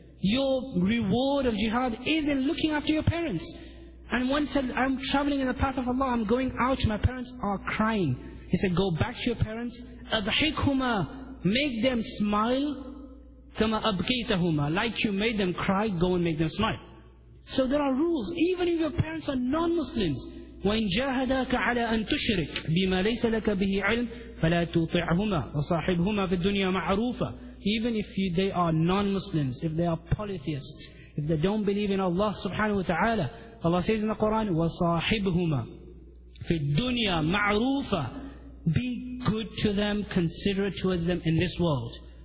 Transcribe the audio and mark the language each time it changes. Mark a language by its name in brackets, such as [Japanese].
[English] Your reward of jihad is in looking after your parents. And one said, I'm traveling in the path of Allah, I'm going out, my parents are crying. He said, go back to your parents. [Arabic] أَضْحِكْهُمَا, [English] make them smile. [Arabic] ثُمَّ أَبْكَيْتَهُمَا, [English] like you made them cry, go and make them smile. So there are rules. Even if your parents are non-Muslims, [Arabic] وَإِنْ جَاهَدَاكَ عَلَىٰ أَن تُشْرِكْ بِمَا لَيْسَ لَكَ بِهِ عِلْمٍ فَلَا تُطِعْهُمَا وَصَاحِبْهُمَا فِي الدُّنْيَا مَعْرُوفًا. [English] Even if they are non-Muslims, if they are polytheists, if they don't believe in Allah subhanahu wa ta'ala, Allah says in the Quran, [Arabic] وَصَاحِبْهُمَا فِي الدُّنْيَا مَعْرُوفًا. [English] Be good to them, considerate towards them in this world.